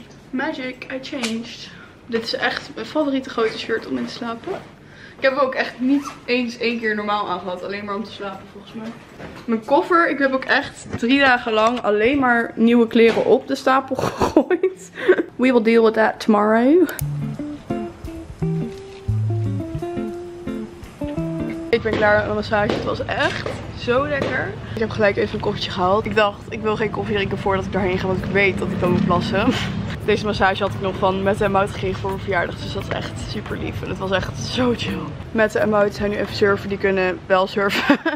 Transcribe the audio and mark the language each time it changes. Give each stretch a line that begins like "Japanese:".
English: Magic, I changed.
Dutch: Dit is echt mijn favoriete grote shirt om in te slapen. Ik heb hem ook echt niet eens 1 keer normaal aangehad. Alleen maar om te slapen volgens mij. Mijn koffer, ik heb ook echt 3 dagen lang alleen maar nieuwe kleren op de stapel gegooid.
English: We will deal with that tomorrow.
Dutch: Ik ben klaar met mijn massage. Het was echt zo lekker. Ik heb gelijk even een koffietje gehaald. Ik dacht, ik wil geen koffie drinken voordat ik daarheen ga, want ik weet dat ik dan moet plassen. Deze massage had ik nog van Mette en Mout gekregen voor mijn verjaardag, dus dat is echt super lief. En het was echt zo chill. Mette en Mout zijn nu even surfen, die kunnen wel surfen.